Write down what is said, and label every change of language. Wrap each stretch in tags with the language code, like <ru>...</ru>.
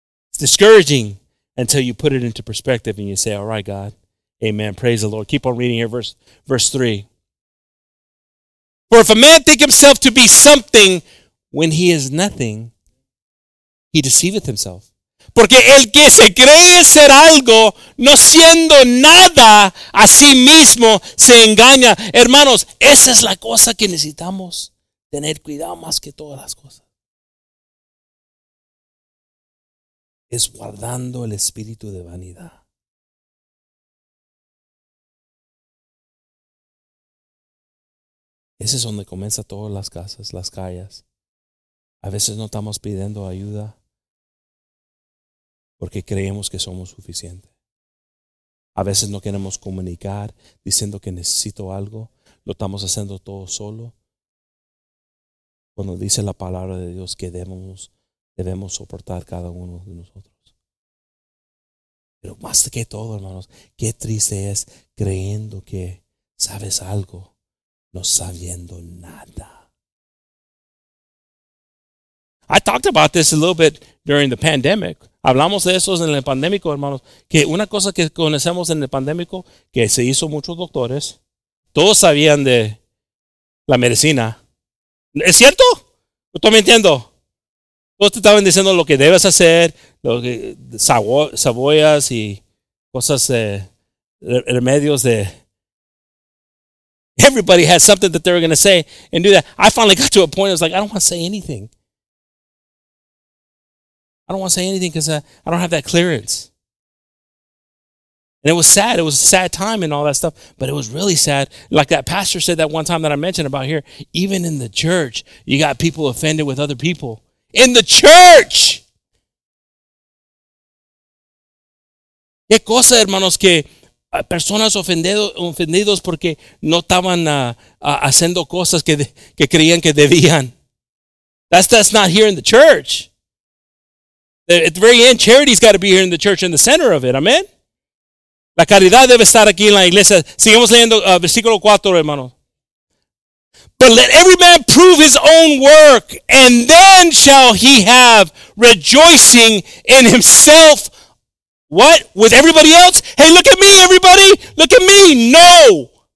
<en>It's discouraging until you put it into perspective and you say, all right, God. Amen. Praise the Lord. Keep on reading here. Verse 3. For if a man think himself to be something when he is nothing, he deceiveth himself.</en> <es>Porque el que se cree ser algo, no siendo nada, a sí mismo se engaña. Hermanos, esa es la cosa que necesitamos tener cuidado más que todas las cosas. Es guardando el espíritu de vanidad. Ese es donde comienza todas las casas, las calles. A veces no estamos pidiendo ayuda. Porque creemos que somos suficientes. A veces no queremos comunicar diciendo que necesito algo. Lo estamos haciendo todo solo. cuando dice la palabra de Dios que debemos soportar cada uno de nosotros. Pero más que todo, hermanos, qué triste es creyendo que sabes algo, no sabiendo nada.</es> <en>I talked about this a little bit during the pandemic.</en> <es>Hablamos de eso en el pandémico, hermanos. Que una cosa que conocemos en el pandémico, que se hizo muchos doctores, todos sabían de la medicina. ¿Es cierto? ¿O estoy mintiendo? Todos te estaban diciendo lo que debes hacer, lo que saboyas y cosas, remedios de...</es> <en>Everybody had something that they were going to say and do that. I finally got to a point, I was like, I don't want to say anything. I don't want to say anything because I don't have that clearance. And it was sad. It was a sad time and all that stuff. But it was really sad. Like that pastor said that one time that I mentioned about here. Even in the church, you got people offended with other people. In the church!</en> <es>¿Qué cosa, hermanos, que personas ofendidos porque no estaban haciendo cosas que creían que debían?</es> <en>That's not here in the church. At the very end, charity's got to be here in the church in the center of it. Amen?</en> <es>La caridad debe estar aquí en la iglesia. Sigamos leyendo versículo 4, hermano.</es> <en>But let every man prove his own work, and then shall he have rejoicing in himself. What? With everybody else? Hey, look at me, everybody. Look at me. No.</en>